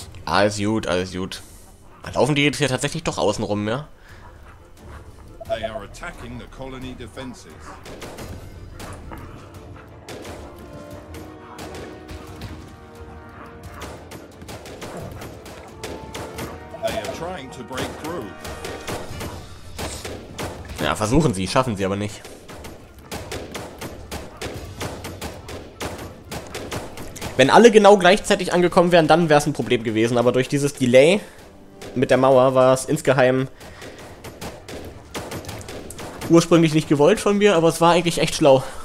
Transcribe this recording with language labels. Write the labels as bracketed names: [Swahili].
[German] Alles gut, alles gut. Laufen die jetzt hier tatsächlich doch außen rum, ja? [English] They are attacking the colony defenses. They are trying to break through. [German] Ja, versuchen sie, schaffen sie aber nicht. Wenn alle genau gleichzeitig angekommen wären, dann wäre es ein Problem gewesen. Aber durch dieses Delay mit der Mauer war es insgeheim ursprünglich nicht gewollt von mir, aber es war eigentlich echt schlau.